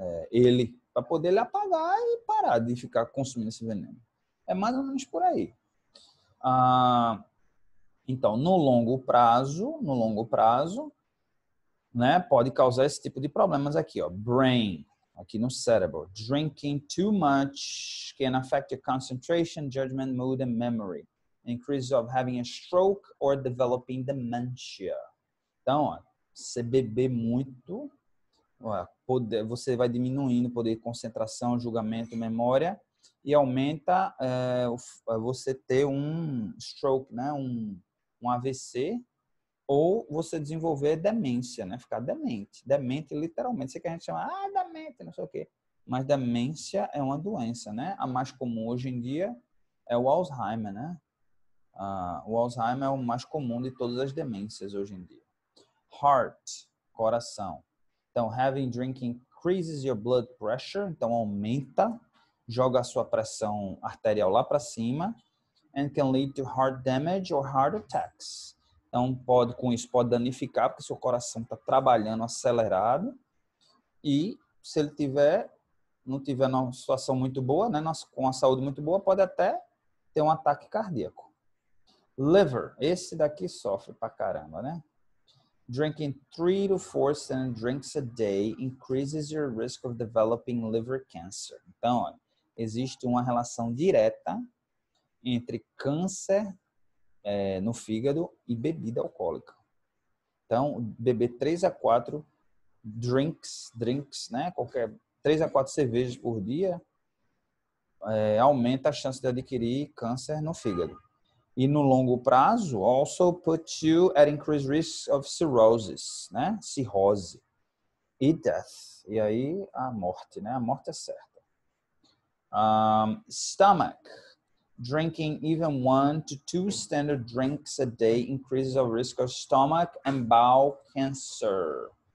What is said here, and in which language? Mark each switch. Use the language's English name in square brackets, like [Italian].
[Portuguese] Ele, para poder ele apagar e parar de ficar consumindo esse veneno. É mais ou menos por aí. Então, no longo prazo, né, pode causar esse tipo de problemas aqui, ó. Brain, aqui no cérebro. [English] Drinking too much can affect your concentration, judgment, mood and memory. Increase of having a stroke or developing dementia. [Portuguese] Então, ó, você beber muito, você vai diminuindo o poder de concentração, julgamento, memória e aumenta você ter um stroke, né? Um AVC ou você desenvolver demência, né? Ficar demente. Demente, literalmente. Você quer a gente chamar, demente, não sei o quê. Mas demência é uma doença, né? A mais comum hoje em dia é o Alzheimer, né? O Alzheimer é o mais comum de todas as demências hoje em dia. Heart, coração. Então, [English] having drinking increases your blood pressure. [Portuguese] Então, aumenta, joga a sua pressão arterial lá para cima. [English] And can lead to heart damage or heart attacks. [Portuguese] Então, pode, com isso, pode danificar, porque seu coração está trabalhando acelerado. E se ele não tiver numa situação muito boa, né, com a saúde muito boa, pode até ter um ataque cardíaco. [English] Liver. [Portuguese] Esse daqui sofre pra caramba, né? [English] Drinking 3 to 4 standard drinks a day increases your risk of developing liver cancer. [Portuguese] Então, olha, existe uma relação direta entre câncer no fígado e bebida alcoólica. Então, beber 3 a 4 drinks, né? Qualquer 3 a 4 cervejas por dia aumenta a chance de adquirir câncer no fígado. E no longo prazo, [English] also put you at increased risk of cirrhosis, né? Cirrose. E death. [Portuguese] E aí, a morte, né? A morte é certa. [English] Stomach. Drinking even 1 to 2 standard drinks a day increases the risk of stomach and bowel cancer.